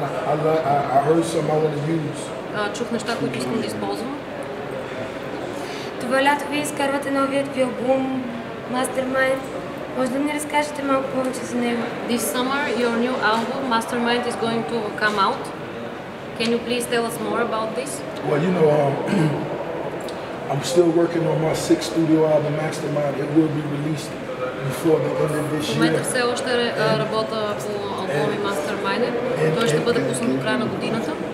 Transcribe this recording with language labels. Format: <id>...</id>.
<en>And I heard some I want to use.</en> <bg>Това лято вие изкарвате новият ви албум, Mastermind. Може да ни разкажете малко повече за него?</bg> <en>This summer your new album Mastermind is going to come out. Can you please tell us more about this? Well, you know, I'm still working on my sixth studio album Mastermind. It will be released before the end of this year.</en> <bg>В момента все още работя по албуми Mastermind. Той ще бъде пуснат до края на годината.</bg>